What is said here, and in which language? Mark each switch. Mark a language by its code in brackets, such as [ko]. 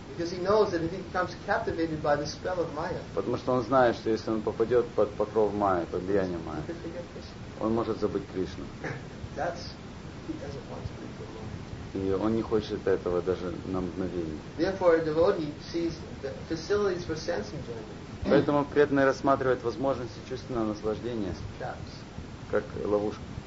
[en] Because he knows that if he becomes captivated by the spell of Maya. [ru] Потому что он знает, что если он попадет под покров Майи, под влияние Майи, он может забыть Кришну. [en] That's he doesn't want to be for a moment. [ru] И он не хочет этого даже на мгновение. [en] Therefore, a devotee sees the facilities for sense enjoyment. [ru] Поэтому преданный рассматривает возможности чувственного наслаждения как ловушку.